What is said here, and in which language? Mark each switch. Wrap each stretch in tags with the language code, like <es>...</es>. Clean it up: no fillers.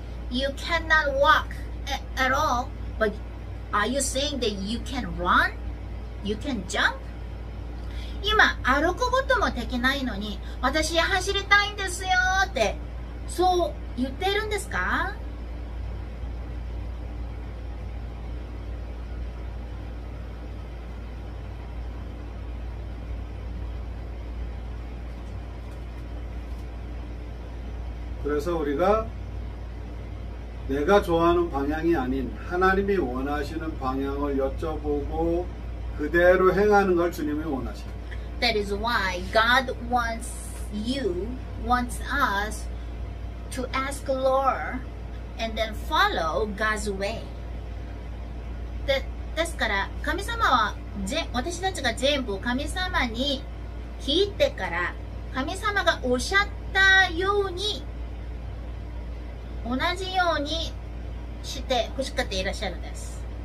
<en>You cannot walk at all, but are you saying that you can run? You can jump?</en> <ja>今歩くこともできないのに、私走りたいんですよってそう言っているんですか？</ja> <ko>그래서우리가내가좋아하는방향이아닌하나님이원하시는방향을여쭤보고그대로행하는걸주님이원하십니다</ko> <en>That is why God wants you, wants us to ask Lord and then follow God's way.</en> <ja>그래서神様は私たちが全部神様に聞いてから神様がおっしゃったように同じようにして欲しかっていらっしゃるんです。</ja>